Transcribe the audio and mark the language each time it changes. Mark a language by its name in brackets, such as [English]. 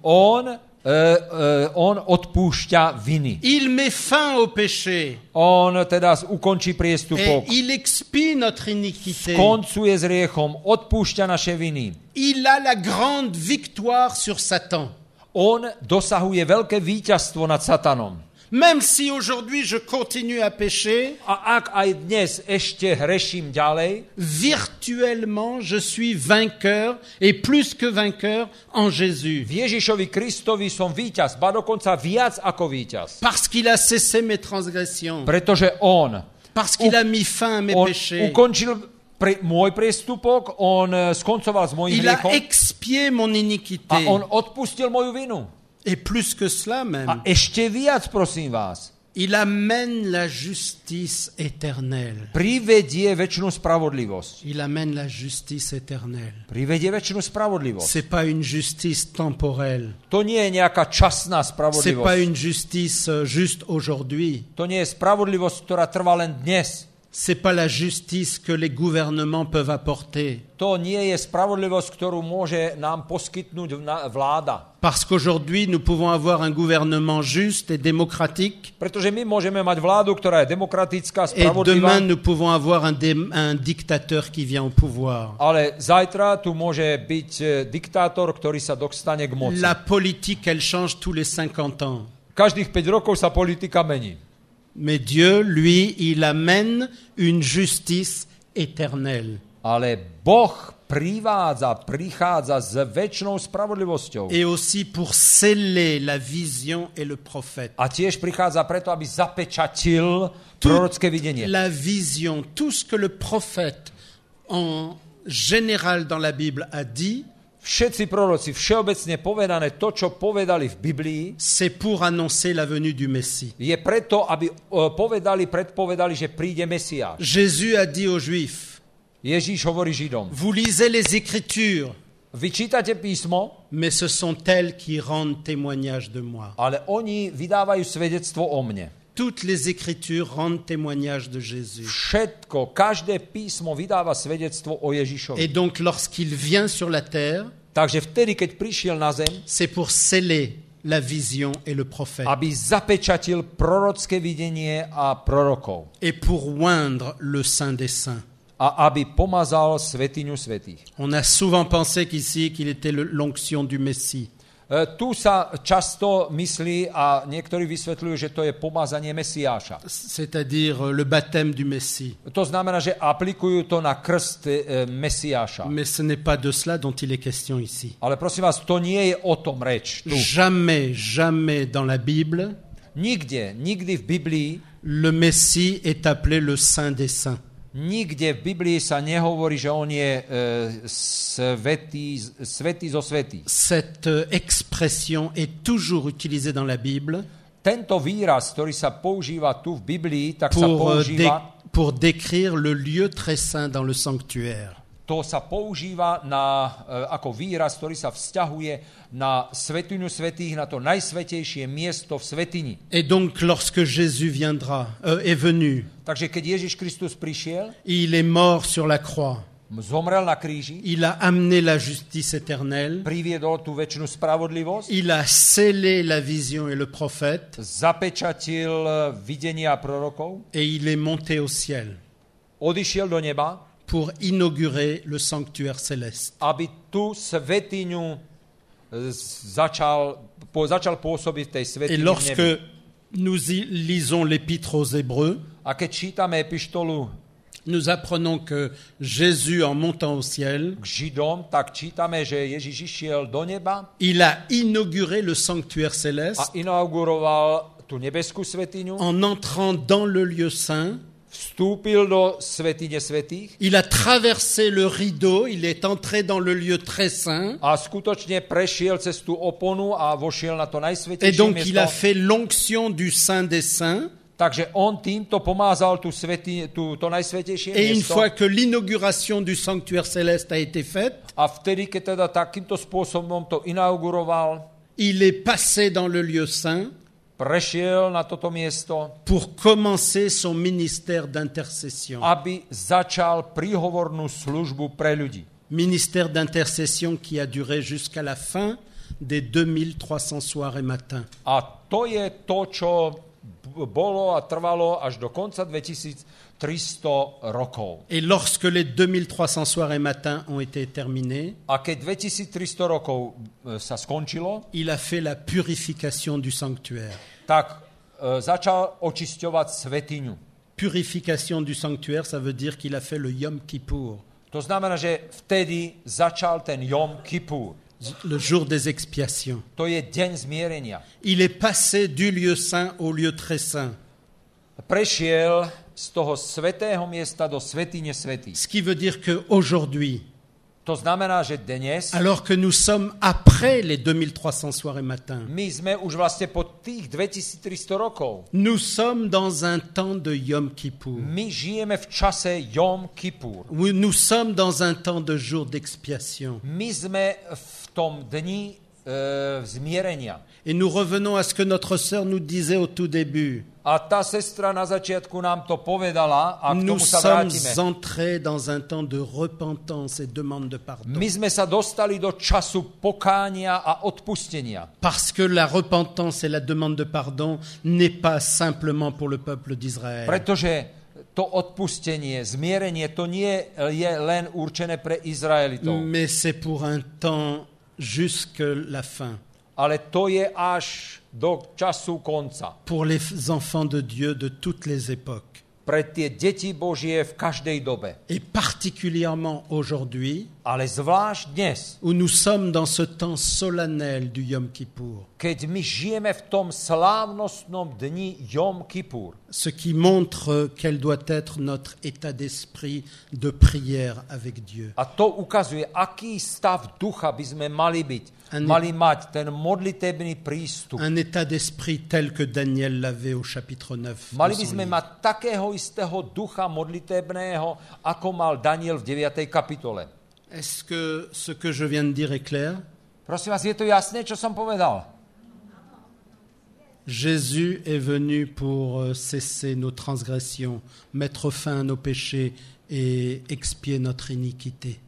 [Slovak] On odpúšťa viny. [French] Il met fin au péché. [Slovak] On teda ukončí priestupok. [French] Et il expie notre iniquité. [Slovak] Skoncuje s hriechom, odpúšťa naše viny. [French] Il a la grande victoire sur Satan. [Slovak] On dosahuje veľké víťazstvo nad Satanom. [French] Même si aujourd'hui je continue à pécher, [Slovak] a ak aj dnes ešte hreším ďalej, [French] virtuellement je suis vainqueur et plus que vainqueur en Jésus. [Slovak] V Ježišovi Kristovi som víťaz, ba dokonca viac ako víťaz. [French] Parce qu'il a cessé mes transgressions. [Slovak] Pretože on. [French] Parce qu'il a mis fin à mes péchés. [Slovak] On ukončil môj priestupok, on skoncoval s mojim hriechom. [French] Il a expié mon iniquité. [Slovak] A on odpustil moju vinu. [French] Et plus que cela même. [Slovak] A ešte viac, prosím vás. [French] Il amène la justice éternelle. [Slovak] Privedie večnú spravodlivosť. [French] Il amène la justice éternelle. [Slovak] Privedie večnú spravodlivosť. [French] C'est pas une justice temporelle. [Slovak] To nie je nejaká časná spravodlivosť. [French] C'est pas une justice juste aujourd'hui. [Slovak] To nie je spravodlivosť, ktorá trvá len dnes. [French] C'est pas la justice que les gouvernements peuvent apporter. [Slovak] To nie je spravodlivosť, ktorú môže nám poskytnúť vláda. [French] Parce qu'aujourd'hui nous pouvons avoir un gouvernement juste et démocratique. [Slovak] Pretože my môžeme mať vládu, ktorá je demokratická, spravodlivá. [French] Et demain nous pouvons avoir un dictateur qui vient au pouvoir. [Slovak] Ale zajtra tu môže byť diktátor, ktorý sa dostane k moci. [French] La politique elle change tous les 50 ans. [Slovak] Každých 5 rokov sa politika mení. [French] Mais Dieu, lui, il amène une justice éternelle. [Slovak] Ale Boh prichádza s večnou spravodlivosťou. [French] Et aussi pour sceller la vision et le prophète. [Slovak] A tiež prichádza preto, aby zapečatil prorocké videnie. [French] La vision, tout ce que le prophète en général dans la Bible a dit. [Slovak] Všetci proroci, všeobecne povedané to, čo povedali v Biblii, [French] c'est pour annoncer la venue du Messie. [Slovak] Je preto, aby predpovedali, že príde Mesiáš. [French] Jésus a dit aux Juifs. [Slovak] Ježíš hovorí Židom. [French] Vous lisez les Écritures. [Slovak] Vy čítate písmo. [French] Mais ce sont elles qui rendent témoignage de moi. [Slovak] Ale oni vydávajú svedectvo o mne. [French] Toutes les écritures rendent témoignage de Jésus. [Slovak] Všetko, každé písmo vydáva svedectvo o Ježišovi. [French] Et donc lorsqu'il vient sur la terre, [Slovak] takže vtedy, keď prišiel na zem, [French] c'est pour sceller la vision et le prophète. [Slovak] Aby zapečatil prorocké videnie a prorokov. [French] Et pour oindre le saint des saints. [Slovak] A aby pomazal svätyňu svätých. [French] On a souvent pensé qu'ici qu'il était l'onction du Messie. [Slovak] Tu sa často myslí a niektorí vysvetľujú, že to je pomazanie Mesiáša. [French] C'est-à-dire le baptême du Messie. [Slovak] To znamená, že aplikujú to na krst Mesiáša. [French] Mais ce n'est pas de cela dont il est question ici. [Slovak] Ale prosím vás, to nie je o tom reč. Tu. [French] Jamais dans la Bible. [Slovak] Nikdy v Biblii [French] le Messie est appelé le Saint des Saints. [Slovak] Nikde v Biblii sa nehovorí, že on je svätý zo svätých. [French] Cette expression est toujours utilisée dans la Bible. [Slovak] Tento výraz, ktorý sa používa tu v Biblii, tak sa používa [French] pour décrire le lieu très saint dans le sanctuaire. [Slovak] To sa používa na ako výraz, ktorý sa vzťahuje na svätyňu svätých, na to najsvätejšie miesto v svätyni. [French] Et donc lorsque Jésus viendra est venu. [Slovak] Takže keď Ježiš Kristus prišiel, [French] il est mort sur la croix. [Slovak] Zomrel na kríži. [French] Il a amené la justice éternelle. [Slovak] Priviedol tú večnú spravodlivosť. [French] Il a scellé la vision et le prophète. [Slovak] Zapečatil videnia prorokov. [French] Et il est monté au ciel. [Slovak] Odišiel do neba. [French] Pour inaugurer le sanctuaire céleste. [Slovak] Aby tú svätyňu začal pôsobiť v tej svätyni. [French] Et lorsque nous lisons l'épître aux Hébreux, [Slovak] a keď čítame epištolu, [French] nous apprenons que Jésus en montant au ciel, [Slovak] k Židom, tak čítame, že Ježiš išiel do neba, [French] il a inauguré le sanctuaire céleste, [Slovak] a inauguroval tú nebeskú svätyňu, [French] en entrant dans le lieu saint, [Slovak] vstúpil do svätyne svätých, [French] il a traversé le rideau, il est entré dans le lieu très saint, [Slovak] a skutočne prešiel cez tú oponu a vošiel na to najsvätejšie miesto, [French] et donc [Slovak] miesto. [French] Il a fait l'onction du saint des saints. [Slovak] Takže on týmto pomázal tú to najsvätejšie miesto. [French] Et une fois que l'inauguration du sanctuaire céleste a été faite, [Slovak] a vtedy, keď teda takýmto spôsobom to inauguroval, [French] il est passé dans le lieu saint, [Slovak] prešiel na toto miesto, [French] pour commencer son ministère d'intercession, [Slovak] aby začal príhovornú službu pre ľudí. [French] Ministère d'intercession qui a duré jusqu'à la fin des 2300 soirs et matins. [Slovak] A to je to, čo bolo a trvalo až do konca 2300 rokov. [French] Et lorsque les 2300 soirs et matins ont été terminés, [Slovak] a keď 2300 rokov sa skončilo, [French] il a fait la purification du sanctuaire. [Slovak] Tak začal očisťovať svätyňu. [French] Purification du sanctuaire, ça veut dire qu'il a fait le Yom Kippour. [Slovak] To znamená, že vtedy začal ten Yom Kippour. [French] Le jour des expiations. [Slovak] To je deň zmierenia. [French] Il est passé du lieu saint au lieu très saint. [Slovak] Prešiel z toho svätého miesta do svätyne svätých. [French] Ce qui veut dire que aujourd'hui. [Slovak] To znamená, že dnes. [French] Alors que nous sommes après les 2300 soirs et matins. [Slovak] My sme už vlastne po tých 2300 rokov. [French] Nous sommes dans un temps de Yom Kippour. [Slovak] My žijeme v čase Yom Kippour. [French] Nous sommes dans un temps de jour d'expiation. [Slovak] My sme v tom dni zmierenia. [French] Et nous revenons à ce que notre sœur nous disait au tout début. [Slovak] A tá sestra na začiatku nám to povedala a k [French] nous [Slovak] tomu sa vrátime. [French] Entrés dans un temps de repentance et demande de pardon. [Slovak] My sme sa dostali do času pokánia a odpustenia. [French] Parce que la repentance et la demande de pardon n'est pas simplement pour le peuple d'Israël. [Slovak] Pretože to odpustenie, zmierenie, to nie je len určené pre Izraelitov. [French] Mais c'est pour un temps jusque la fin. [Slovak] Ale to je až do času konca. [French] Pour les enfants de Dieu de toutes les époques. [Slovak] Pre tie deti Božie v každej dobe. [French] Et particulièrement aujourd'hui. [Slovak] Ale zvlášť dnes. [French] Où nous sommes dans ce temps solennel du Yom Kippour. [Slovak] Keď my žijeme v tom slávnostnom dni Yom Kippour. [French] Ce qui montre quel doit être notre état d'esprit de prière avec Dieu. [Slovak] A to ukazuje, aký stav ducha by sme mali byť. Mali mať ten modlitebný prístup. [French] Un état d'esprit tel que Daniel l'avait au chapitre 9. [Slovak] Mali by sme mať takého istého ducha modlitebného, ako mal Daniel v 9. kapitole. [French] Est-ce que ce que je viens de dire est clair? [Slovak] Prosím vás, je to jasné, čo som povedal? [French] Jésus est venu pour cesser nos transgressions, mettre fin à nos péchés et expier notre iniquité.